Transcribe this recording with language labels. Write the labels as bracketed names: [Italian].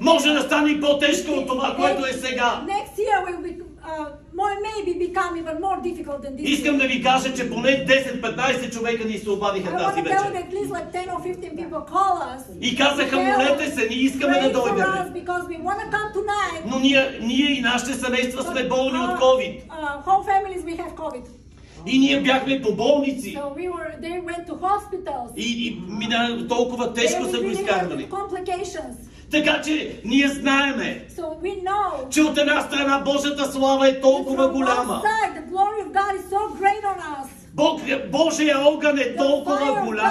[Bulgarian] Може да стане по-тежко от това, което е сега. [English] Next year will be, maybe become even more difficult than this. [Bulgarian] Искам да ви кажа, че поне 10-15 човека ни се обадиха тази вечер. [English] I want to tell you that at least like 10 or 15 people call us. [Bulgarian] И казаха, молете се, ние искаме да дойдем. [English] Because we want to come tonight. [Bulgarian] Но ние и нашите семейства сме болни от COVID. [English] Whole families we have COVID. [Bulgarian] И ние бяхме по болници. [English] So we were, they went to hospitals. [Bulgarian] И толкова тежко са го изкарвали. Така че ние знаеме, [English] so we know, [Bulgarian] че от една страна Божията слава е толкова голяма. [English] Side, the glory of God is so great on us. [Bulgarian] Бог, Божия огън е толкова голям.